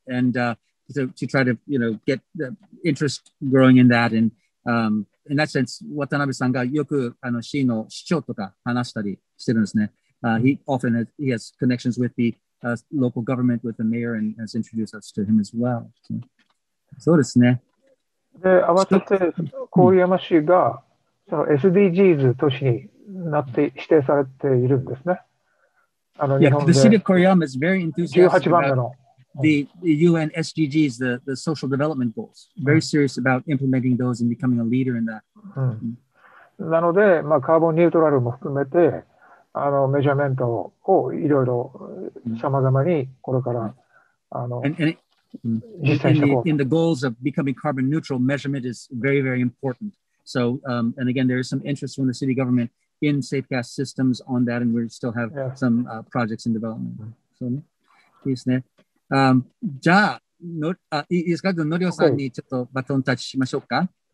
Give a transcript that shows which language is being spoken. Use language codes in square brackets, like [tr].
[en] And to try to, you know, get the interest growing in that and in that sense, [ja] Watanabe-san がよくあの市の市長とか話したりしてるんですね。 [en] He often has, he has connections with the、local government, with the mayor, and has introduced us to him as well. [ja] So, そうですね。で、合わせて郡山市がその SDGs 都市になって指定されているんですね。 [en] Yeah, the city of Koryama is very enthusiastic about the UN SDGs, the social development goals. Very serious about implementing those and becoming a leader in that. [ja] なので、まあ、カーボンニュートラルも含めて、あのメジャーメントをいろいろさまざまにこれから、あの、 [en] In the goals of becoming carbon neutral, measurement is very, very important. So, and again, there is some interest from the city government in SafeCast systems on that, and we still have some projects in development. [ja] So, いいですね。じゃあ、いいですか、のりおさんにちょっとバトンタッチしましょうか。